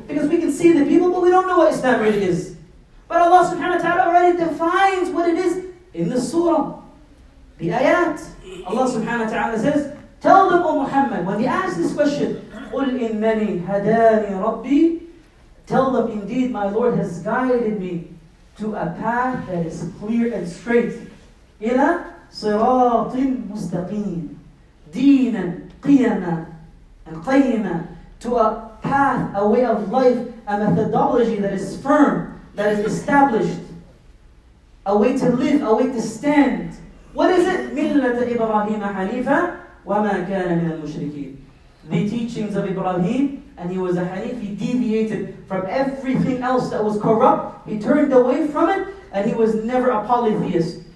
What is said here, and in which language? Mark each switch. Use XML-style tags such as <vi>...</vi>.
<en>Because we can see the people, but we don't know what Islam really is. But Allah subhanahu wa ta'ala already defines what it is in the surah, the ayat. Allah subhanahu wa ta'ala says, tell them, O Muhammad, when he asks this question,</en> <ar>قُلْ إِنَّنِي هَدَانِي رَبِّي.</ar> <en>Tell them, indeed, my Lord has guided me to a path that is clear and straight.</en> <ar>إِلَى صِرَاطٍ مُسْتَقِيمٍ دِينًا قِيَمًا</ar> <en>and qayyima to a path, a way of life, a methodology that is firm, that is established, a way to live, a way to stand. What is it?</en> <ar>Millat Ibrahim Hanifa wa ma kana min al-mushrikeen.</ar> <en>The teachings of Ibrahim, and he was a Hanif, he deviated from everything else that was corrupt, he turned away from it, and he was never a polytheist.</en>